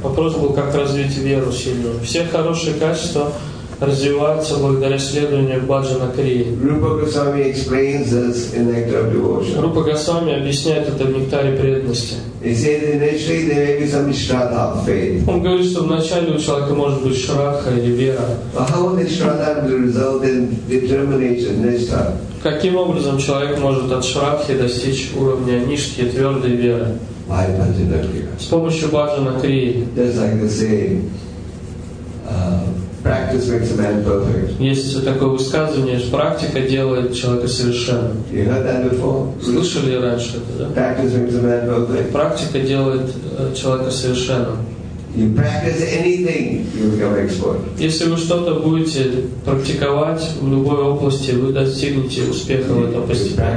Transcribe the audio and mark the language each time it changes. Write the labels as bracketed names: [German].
[Russian] Вопрос был, как развить веру сильную. Все хорошие качества развиваются благодаря следованию бхаджана крии. [English] Rupa Goswami explains this in Nectar of Devotion. [Russian] Rupa Goswami объясняет это в Нектаре преданности. [English] He says initially there may be some shraddha of faith. [Russian] Он говорит, что вначале у человека может быть шрадха или вера. [English] But how will the shraddha result in determination, nishtha? [Russian] Каким образом человек может от шрадхи достичь уровня нишки, твердой веры? [English] By bhajana kriya. [Russian] С помощью бхаджана крии. [English] Just like the saying, practice makes a man perfect. [Russian] Есть такое высказывание, что практика делает человека совершенным. [English] You heard that before? [Russian] Слышали раньше это, да? [English] Practice makes a man perfect. [Russian] Практика делает человека совершенным. [English] You practice anything, you become expert. [Russian] Если вы что-то будете практиковать в любой области, вы достигнете успеха в этой области.